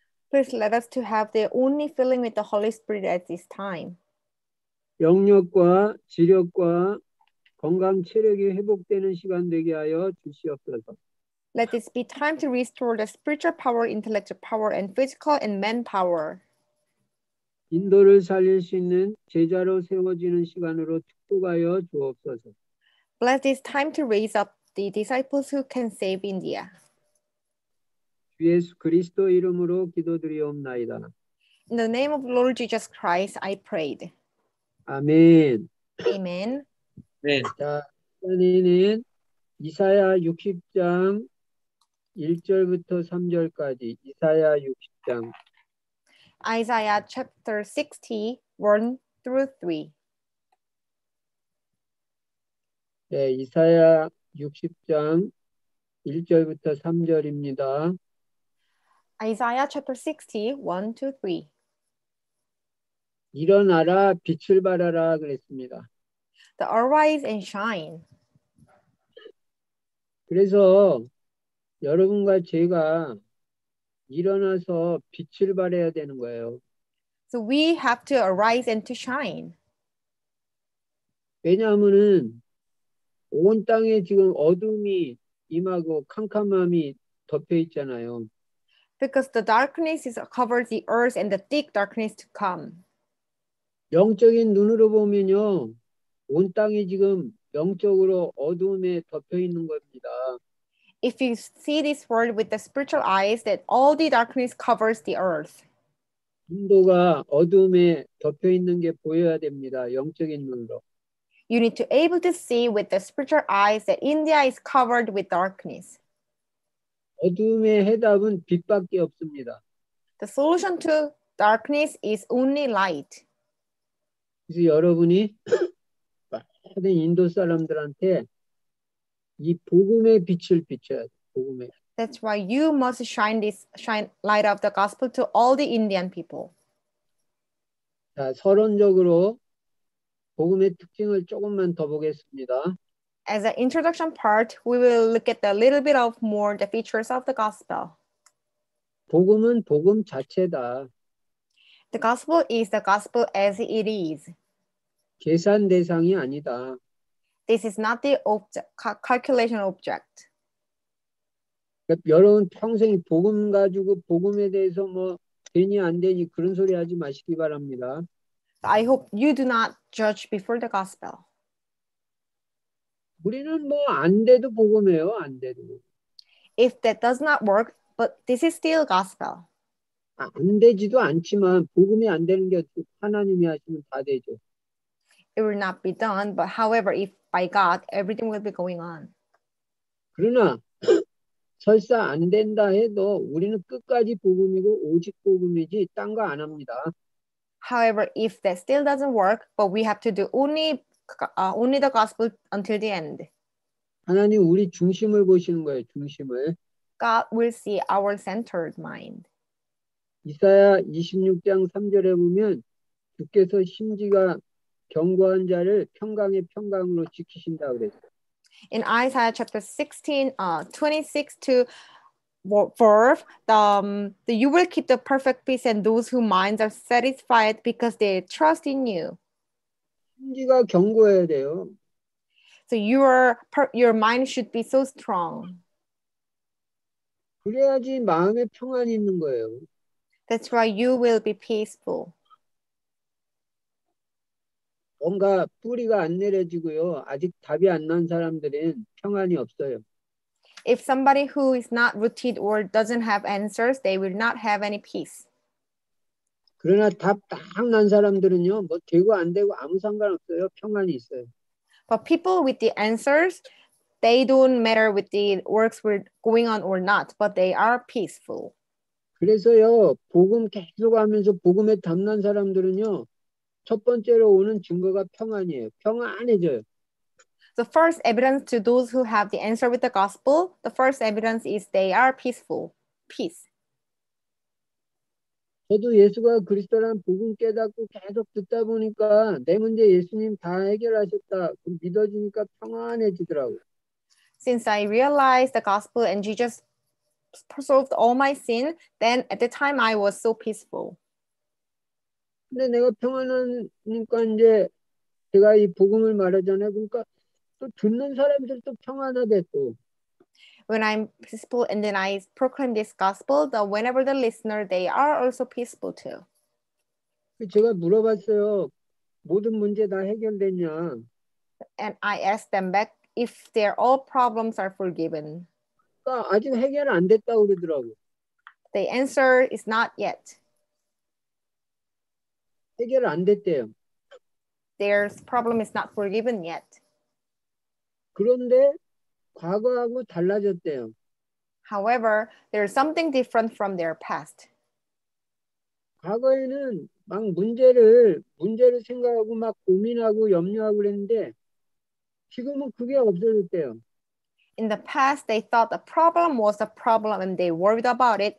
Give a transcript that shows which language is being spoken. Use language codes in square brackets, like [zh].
[en] Please let us to have the only filling with the Holy Spirit at this time. [ko] 영력과 지력과 건강 체력이 회복되는 시간 되게 하여 주시옵소서. [en] Let this be time to restore the spiritual power, intellectual power, and physical and man power. [ko] 인도를 살릴 수 있는 제자로 세워지는 시간으로 축복하여 주옵소서. [en] Bless this time to raise up the disciples who can save India. [ko] 주 예수 그리스도 이름으로 기도드리옵나이다. [en] In the name of Lord Jesus Christ, I prayed. [ko] 아멘. [en] Amen. [ko] 네. 자, 이번에는 이사야 60장 1절부터 3절까지 이사야 60장 [en] Isaiah chapter 60, 1 through 3. [ko] 네, 이사야 60장 1절부터 3절입니다. [en] Isaiah chapter 60, 1 to 3. [ko] 일어나라, 빛을 발하라 그랬습니다. [en] The arise and shine. [ko] 그래서 여러분과 제가 일어나서 빛을 발해야 되는 거예요. [en] So we have to arise and to shine. [ko] 왜냐하면은 온 땅에 지금 어둠이 임하고 캄캄함이 덮여 있잖아요. [en] Because the darkness is covers the earth and the thick darkness to come. [ko] 영적인 눈으로 보면요. 온 땅이 지금 영적으로 어둠에 덮여 있는 겁니다. [en] If you see this world with the spiritual eyes, that all the darkness covers the earth. [ko] 인도가 어둠에 덮여 있는 게 보여야 됩니다. 영적인 눈으로. [en] You need to be able to see with the spiritual eyes that India is covered with darkness. [ko] 어둠의 해답은 빛밖에 없습니다. [en] The solution to darkness is only light. [ko] 그래서 여러분이 모든 인도 사람들한테 이 복음의 빛을 비춰야 돼, 복음의. [en] That's why you must shine this shine light of the gospel to all the Indian people. [ko] 자, 서론적으로 복음의 특징을 조금만 더 보겠습니다. [en] As an introduction part, we will look at a little bit of more the features of the gospel. [ko] 복음은 복음 자체다. [en] The gospel is the gospel as it is. [ko] 계산 대상이 아니다. [en] This is not the object, calculation object. [ko] 그러니까 여러분 평생 복음 가지고 복음에 대해서 뭐 되니 안 되니 그런 소리 하지 마시기 바랍니다. [en] I hope you do not judge before the gospel. [ko] 우리는 뭐 안 돼도 복음이에요, 안 돼도. [en] If that does not work, but this is still gospel. [ko] 아, 안 되지도 않지만 복음이 안 되는 게 하나님이 하시면 다 되죠. [en] It will not be done, but however, if by God, everything will be going on. [ko] 그러나 설사 안 된다 해도 우리는 끝까지 복음이고 오직 복음이지 딴 거 안 합니다. [en] However, if that still doesn't work, but we have to do only the gospel until the end. [ko] 하나님 우리 중심을 보시는 거예요, 중심을. [en] God will see our centered mind. [ko] 이사야 26장 3절에 보면 주께서 심지가 견고한 자를 평강의 평강으로 지키신다 그랬어요. [en] In Isaiah chapter 16:26-4, you will keep the perfect peace and those whose minds are satisfied because they trust in you. [ko] 심지가 견고해야 돼요. [en] So your mind should be so strong. [ko] 그래야지 마음에 평안이 있는 거예요. [en] That's why you will be peaceful. [ko] 뭔가 뿌리가 안 내려지고요. 아직 답이 안 난 사람들은 평안이 없어요. [en] If somebody who is not rooted or doesn't have answers, they will not have any peace. [ko] 그러나 답 딱 난 사람들은요. 뭐 되고 안 되고 아무 상관없어요. 평안이 있어요. [en] But people with the answers, they don't matter with the works were going on or not, but they are peaceful. [ko] 그래서요. 복음 계속 하면서 복음에 답 난 사람들은요. 첫 번째로 오는 증거가 평안이에요. 평안해져요. [en] The first evidence to those who have the answer with the gospel, the first evidence is they are peaceful. Peace. [ko] 저도 예수가 그리스도라는 복음 깨닫고 계속 듣다 보니까 내 문제 예수님 다 해결하셨다. 그럼 믿어지니까 평안해지더라고요. [en] Since I realized the gospel and Jesus solved all my sin, then at the time I was so peaceful. [ko] 근데 내가 평안하니까 이제 제가 이 복음을 말하잖아요. 그러니까 또 듣는 사람들도 평안하대 또. [en] When I'm peaceful and then I proclaim this gospel, the whenever the listener, they are also peaceful too. [ko] 제가 물어봤어요. 모든 문제 다 해결됐냐? [en] And I asked them back if their all problems are forgiven. [ko] 아, 아직 해결 안 됐다고 그러더라고. [en] The answer is not yet. [ko] 해결 안 됐대요. [en] Their problem is not forgiven yet. [ko] 그런데 과거하고 달라졌대요. [en] However, there is something different from their past. [ko] 과거에는 막 문제를 생각하고 막 고민하고 염려하고 그랬는데 지금은 그게 없어졌대요. [en] In the past, they thought the problem was a problem and they worried about it.